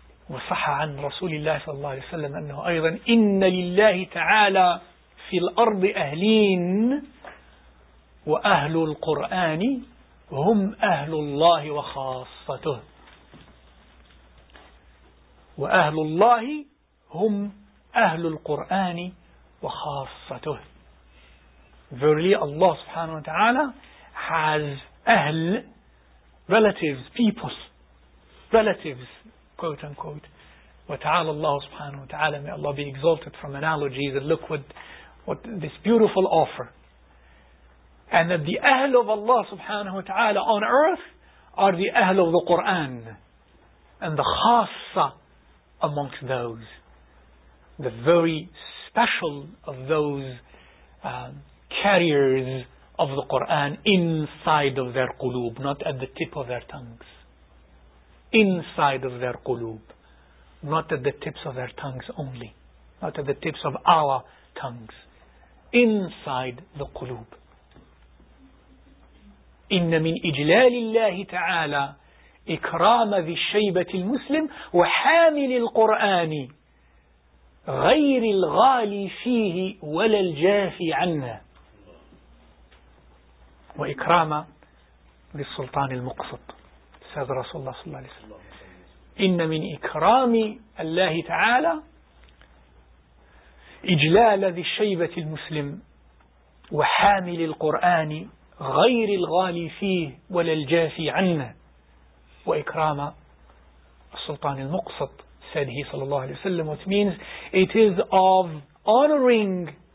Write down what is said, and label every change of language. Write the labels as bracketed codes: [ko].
[ar] وصح عن رسول الله صلى الله عليه وسلم أنه أيضا إن لله تعالى في الأرض أهلين وأهل القرآن هم أهل الله وخاصته, وأهل الله هم أهل القرآن وخاصته. [en] Verily Allah سبحانه وتعالى has أهل, relatives, people, relatives, quote unquote. [ar] وَتَعَالَى اللَّهُ سُبْحَانَهُ وَتَعَالَى, [en] may Allah be exalted from analogies, and look what this beautiful offer. And that the ahl of Allah subhanahu wa ta'ala on earth are the ahl of the Qur'an, and the khassa amongst those, the very special of those carriers of the Qur'an inside of their qulub, not at the tip of their tongues. Inside of their qulub. Not at the tips of their tongues only. Not at the tips of our tongues. Inside the qulub. [ar] إِنَّ مِنْ إِجْلَالِ اللَّهِ تَعَالَى إِكْرَامَ ذِي الشَّيْبَةِ الْمُسْلِمِ وَحَامِلِ الْقُرْآنِ غَيْرِ الْغَالِي فِيهِ وَلَا الْجَافِي عَنَّهِ وَإِكْرَامَ لِلسُّلْطَانِ الْمُقْصِدِ, [en] says Rasulullah [ar] صلى الله عليه وسلم. إِنَّ مِنْ إِكْرَامِ اللَّهِ تَعَالَى إِجْلَالَ ذِي الشَّيْبَةِ الْمُسْلِمِ وَحَامِلِ الْقُرْآنِ غَيْرِ الْغَالِي فِيهِ وَلَا الْجَافِي عَنَّهِ وَإِكْرَامَ السُّلْطَانِ الْمُقْصَدِ, [en] said he [ar] صلى الله عليه وسلم, [en] which means it is of honoring